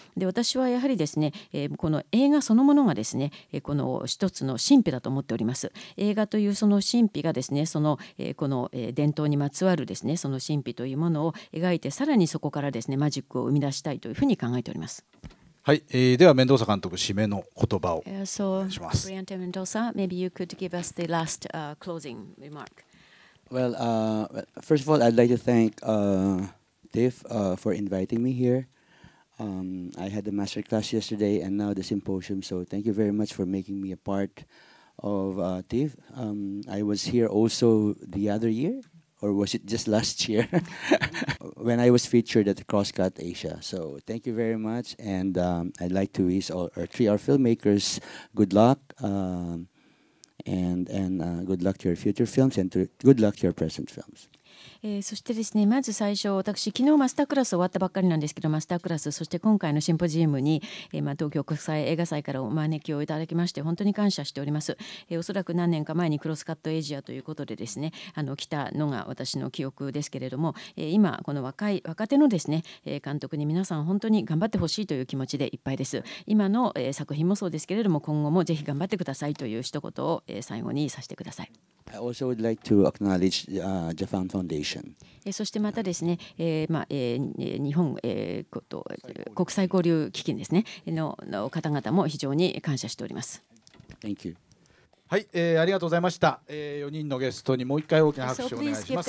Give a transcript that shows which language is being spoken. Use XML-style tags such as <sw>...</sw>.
<ja>で、私はやはりですね、この映画そのものがですね、この一つの神秘だと思っております。映画というその神秘がですね、この伝統にまつわるですね、その神秘というものを描いて、さらにそこからですね、マジックを生み出したいというふうに考えております。はい、ではメンドーサ監督締めの言葉をお願いします。</ja> <en>Brillante Mendoza, maybe you could give us the last closing remark. Well, first of all, I'd like to thank TIFF for inviting me here. I had the master class yesterday, and now the symposium. So, thank you very much for making me a part. Of TIFF. I was here also the other year, or was it just last year? When I was featured at Crosscut Asia. So thank you very much, and I'd like to wish all our 3R filmmakers good luck, and good luck to your future films, and good luck to your present films.</en> <ja>そしてですね、まず最初、私昨日マスタークラス終わったばっかりなんですけど、マスタークラス、そして今回のシンポジウムに、まあ、東京国際映画祭からお招きをいただきまして本当に感謝しております、おそらく何年か前にクロスカットアジアということでですね、来たのが私の記憶ですけれども、今この若手のですね、監督に皆さん本当に頑張ってほしいという気持ちでいっぱいです。今の、作品もそうですけれども、今後もぜひ頑張ってくださいという一言を、最後にさせてください。</ja> <en>I also would like to acknowledge the Japan Foundation.</en> <ja>そしてまたですね、まあ、日本、国際交流基金ですね、の方々も非常に感謝しております。</ja> <en>Thank you.</en> <ja>はい、ありがとうございました。4人のゲストにもう一回大きな拍手をお願いします。</ja>